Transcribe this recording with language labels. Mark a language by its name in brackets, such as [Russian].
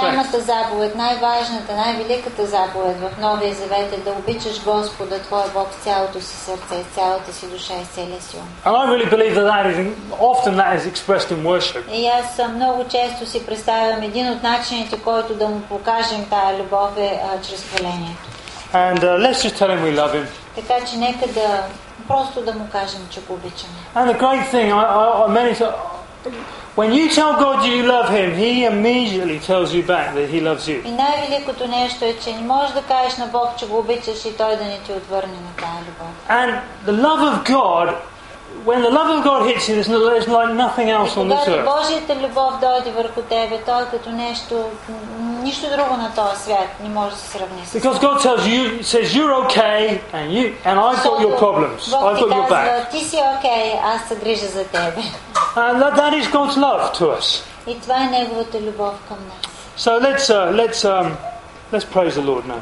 [Bulgarian] Най-голямата заповед, най-важната, най-великата заповед в Новия Завет е да обичаш Господа, твоя Бог, с цялото си сърце, с цялата си душа и с целия си ум. [English] And I really believe that is often expressed in worship. [Bulgarian] И аз много често си представям един от начините, който да му покажем тая любов е чрез хвалението. [English] And let's just tell him we love him. [Bulgarian] Така че нека да просто да му кажем, че го обичаме. [English] And the great thing, I many When you tell God you love Him, He immediately tells you back that He loves you. [Bulgarian] И най-великото нещо е, че не можеш да кажеш на Бог, че го обичаш, и Той да не ти отвърне на тази любов. [English] And the love of God, when the love of God hits you, there's like nothing else on this earth. [Bulgarian] Божията любов дойде върху тебе, той като нещо, нищо друго на този свят не може да се сравни. [English] Because God tells you, says you're okay, and I've got your problems, I've got your back. [Bulgarian] Бог ти казва, ти си окей, аз се грижа за тебе. [English] And that is God's love to us. [Bulgarian] И това е неговата любов към нас. [English] So let's praise the Lord now.